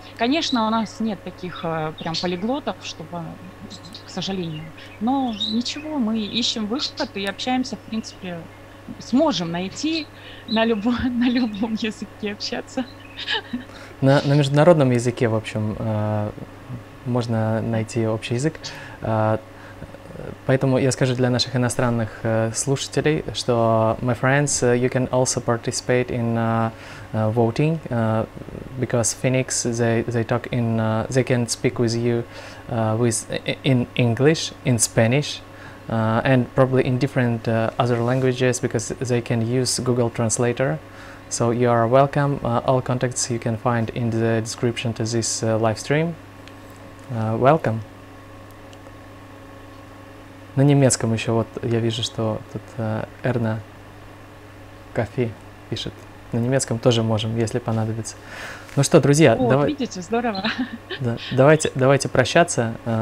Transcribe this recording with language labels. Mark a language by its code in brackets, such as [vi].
[ru] Конечно, у нас нет таких прям полиглотов, чтобы, к сожалению. Но ничего, мы ищем выход и общаемся, в принципе, сможем найти на любом языке общаться. На международном языке, в общем, можно найти общий язык. Поэтому я скажу для наших иностранных слушателей, что [en] my friends, you can also participate in voting because Phoenix they talk in they can speak with you with in English, in Spanish, and probably in different other languages because they can use Google Translator. So you are welcome. All contacts you can find in the description to this live stream. Welcome. [ru] На немецком еще вот я вижу, что тут Эрна Кофи пишет. На немецком тоже можем, если понадобится. Ну что, друзья, Видите, здорово. Да, давайте прощаться.